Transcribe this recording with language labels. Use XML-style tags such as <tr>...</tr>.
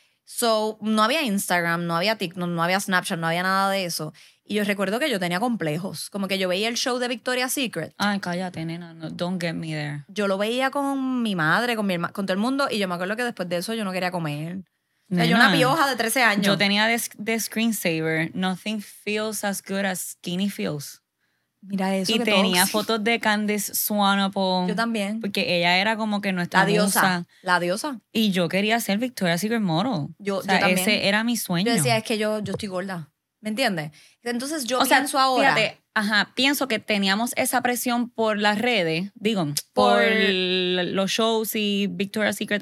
<es>So, no había Instagram, no había TikTok, no había Snapchat, no había nada de eso. Y yo recuerdo que yo tenía complejos. Como que yo veía el show de Victoria's Secret. Ay, cállate, nena. No,</es> <en>don't get me there.</en> <es>Yo lo veía con mi madre, con mi hermano, con todo el mundo. Y yo me acuerdo que después de eso yo no quería comer. Nena, o sea, yo una pioja de 13 años. Yo tenía de screensaver.</es> <en>Nothing feels as good as skinny feels.</en> <es>Mira eso. Y que tenía todo. Fotos de Candace Swanepoel. Yo también. Porque ella era como que nuestra la diosa. Musa. La diosa. Y yo quería ser Victoria's Secret model. Yo, o sea, yo también. Ese era mi sueño. Yo decía, es que yo estoy gorda. ¿Me entiendes? Entonces yo pienso ahora. Fíjate, ajá, pienso que teníamos esa presión por las redes, digo, por los shows y Victoria's Secret,</es>